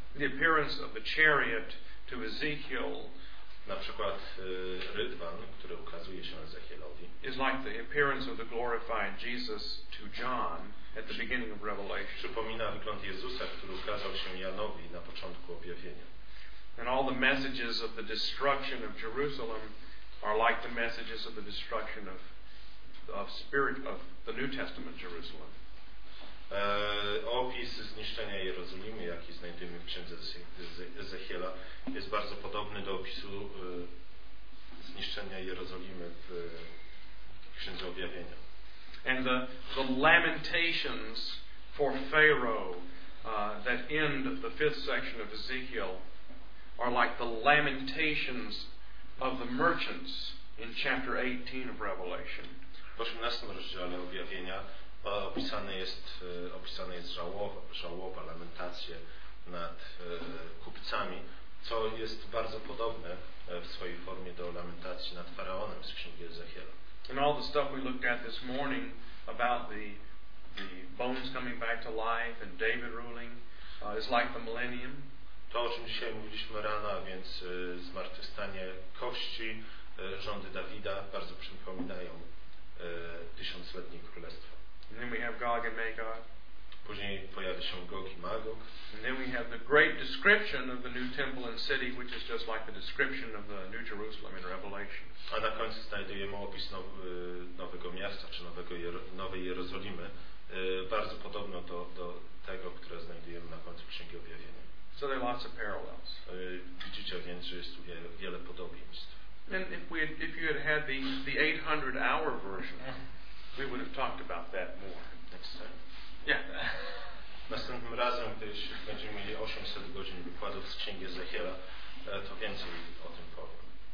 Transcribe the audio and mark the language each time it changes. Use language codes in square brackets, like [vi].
[en] The appearance of the chariot to Ezekiel, [pl] na przykład rydwan, który ukazuje się Ezechielowi, [en] is like the appearance of the glorified Jesus to John at the beginning of Revelation. [pl] Przypomina wygląd Jezusa, który ukazał się Janowi na początku Objawienia. [en] And all the messages of the destruction of Jerusalem are like the messages of the destruction of the New Testament Jerusalem. [pl] Opis zniszczenia Jerozolimy, jaki znajdujemy w Księdze Ezechiela, jest bardzo podobny do opisu zniszczenia Jerozolimy w Księdze Objawienia. [en] And the lamentations for Pharaoh that end the fifth section of Ezekiel are like the lamentations of the merchants in chapter 18 of Revelation. [pl] W 18 rozdziale Objawienia opisane jest żałoba, lamentacje nad kupcami, co jest bardzo podobne w swojej formie do lamentacji nad faraonem z księgi Ezechiela. [en] And all the stuff we looked at this morning about the bones coming back to life and David ruling is like the millennium. [pl] To, o czym dzisiaj mówiliśmy rano, a więc zmartwychwstanie kości, rządy Dawida bardzo przypominają tysiącletnie królestwo. [en] And then we have Gog and Magog. [pl] Później pojawia się Gog i Magog. [en] And then we have the great description of the new temple and city, which is just like the description of the new Jerusalem in Revelation. [pl] A na końcu znajdujemy opis nowego miasta, czy nowej Jerozolimy, bardzo podobno do tego, które znajdujemy na końcu Księgi Objawienia. [en] So there are lots of parallels. [pl] Widzicie więc, że jest tu wiele podobieństw. [en] And if you had had the 800 hour version, we would have talked about that more. Next time. Yeah. [pl] Następnym razem, gdy będziemy mieli 800 godzin wykładów z Księgi Ezechiela, to więcej o tym powiem.